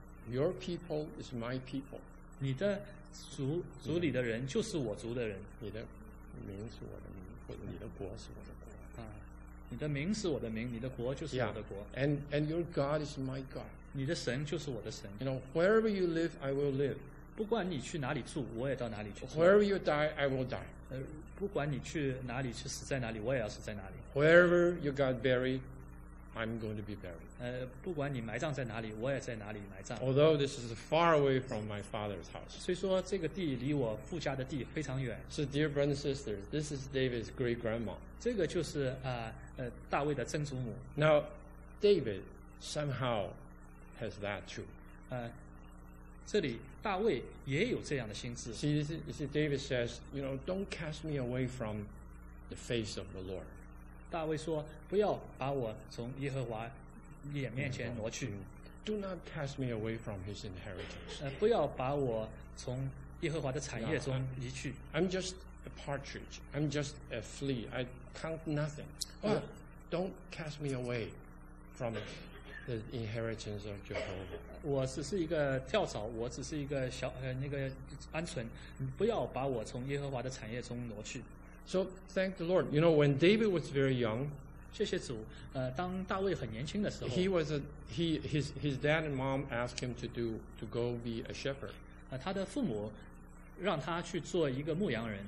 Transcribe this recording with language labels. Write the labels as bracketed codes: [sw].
[en] Your people is my people. [zh] 你的族里的人就是我族的人。你的名是我的名，或者你的国是我的国。你的名是我的名，你的国就是我的国。 [en] Yeah. And your God is my God. [zh] 你的神就是我的神。 [en] You know, wherever you live, I will live. [zh] 不管你去哪里住，我也到哪里去。 [en] Wherever you die, I will die. [zh] 不管你去哪里去死在哪里，我也要死在哪里。 [en] Wherever you got buried. I'm going to be buried. [zh] 不管你埋葬在哪里，我也在哪里埋葬。 [en] Although this is far away from my father's house. [zh] 虽说这个地离我父家的地非常远。 [en] So dear brothers and sisters, this is David's great grandma. [zh] 这个就是大卫的曾祖母。 [en] Now, David somehow has that too. [zh] 这里大卫也有这样的心智。 [en] See, you see, David says, you know, don't cast me away from the face of the Lord. [zh] 大卫说：“不要把我从耶和华眼面前挪去。 [en] Do not cast me away from His inheritance. [zh] 不要把我从耶和华的产业中移去。 [en] I'm just a partridge. I'm just a flea. I count nothing. But don't cast me away from the inheritance of Jehovah. [zh] 我只是一个跳蚤，我只是一个小那个鹌鹑。不要把我从耶和华的产业中挪去。” [en] So thank the Lord. You know, when David was very young, [zh] 谢谢主。当大卫很年轻的时候 his dad and mom asked him to go be a shepherd. 他的父母让他去做一个牧羊人。